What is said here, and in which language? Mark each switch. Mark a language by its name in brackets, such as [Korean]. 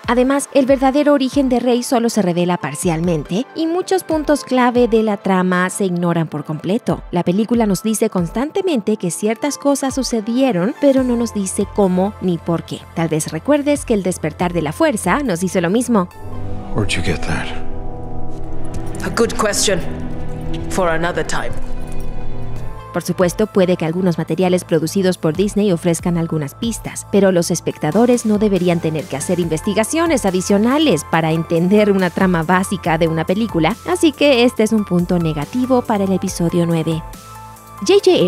[Spanish] Además, el verdadero origen de Rey solo se revela parcialmente y muchos puntos clave de la trama se ignoran por completo. La película nos dice constantemente que ciertas cosas sucedieron, pero no nos dice cómo ni por qué. Tal vez recuerdes que el despertar de la fuerza nos hizo lo mismo. [English] Where'd you get that? A good question for another time. [Spanish] Por supuesto, puede que algunos materiales producidos por Disney ofrezcan algunas pistas, pero los espectadores no deberían tener que hacer investigaciones adicionales para entender una trama básica de una película, así que este es un punto negativo para el episodio 9. J.J.